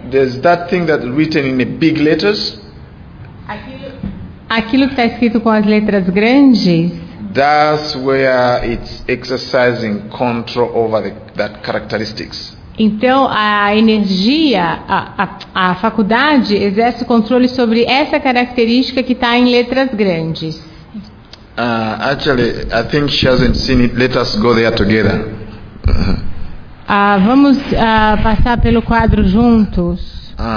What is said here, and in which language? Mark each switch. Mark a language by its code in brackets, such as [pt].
[en] There's that thing that written in the big letters. [pt] Aquilo que está escrito com as letras grandes. [en] That's where it's exercising control over that characteristics. [pt] Então a energia, a faculdade exerce controle sobre essa característica que está em letras grandes. [en] Actually, I think she hasn't seen it. Let us go there together. [pt] Vamos passar pelo quadro juntos.